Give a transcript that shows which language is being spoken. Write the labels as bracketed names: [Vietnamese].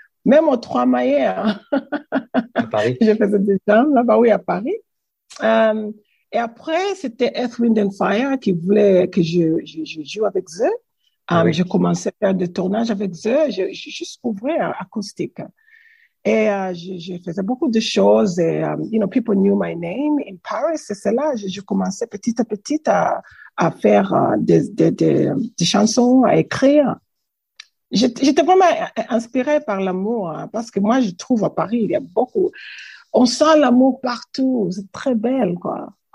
[French] Même aux Trois Maillets. Hein. À Paris. Je faisais du jam là-bas, oui, à Paris. Et après, c'était Earth, Wind & Fire qui voulait que je joue avec eux. Oui. J'ai commencé à faire des tournages avec eux. J'ai juste ouvert acoustique. Et je faisais beaucoup de choses. [English] Et, you know, people knew my name in Paris. [French] Et c'est là que j'ai commencé petit à petit à faire des chansons, à écrire. J'étais vraiment inspirée par l'amour. Hein, parce que moi, je trouve à Paris, il y a beaucoup... On sent l'amour partout. C'est très belle, quoi.